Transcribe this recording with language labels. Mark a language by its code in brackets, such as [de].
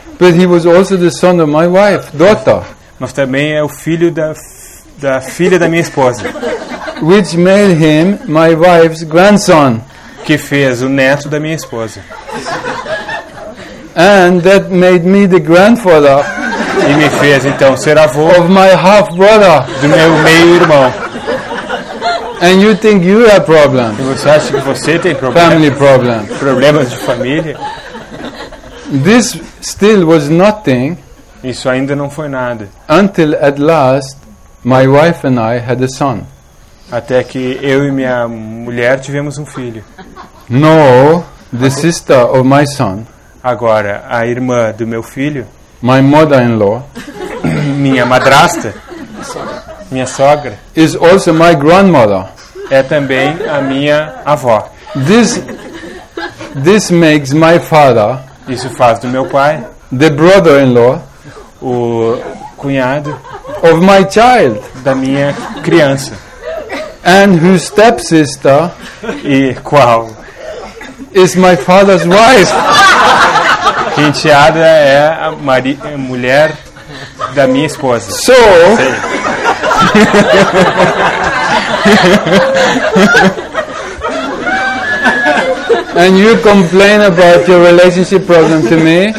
[en] But he was also the son of my wife, daughter. [pt] Mas também é o filho da filha da minha esposa. [en] Which made him my wife's grandson. [pt] Que fez o neto da minha esposa. [en] And that made me the grandfather. [pt] E me fez então ser avô. [en] Of my half brother. [pt] Do meu meio irmão. [en] And you think you have problems. [pt] E você acha que você tem problemas. [en] Family problems. [pt] Problemas de família. [en] This still was nothing. [pt] Isso ainda não foi nada. [en] Until at last my wife and I had a son. [pt] Até que eu e minha mulher tivemos um filho. [en] No, the sister of my son. [pt] Agora a irmã do meu filho. [en] My mother-in-law, [pt] minha madrasta, minha sogra, [en] is also my grandmother. [pt] É também a minha avó. [en] This makes my father. [pt] Isso faz do meu pai. [en] The brother-in-law, [pt] o cunhado, [en] of my child, [pt] da minha criança, [en] and whose stepsister, [pt] e qual, [en] is my father's wife. [pt] A enteada é a mulher da minha esposa. [en] So, and you complain about your relationship problem to me?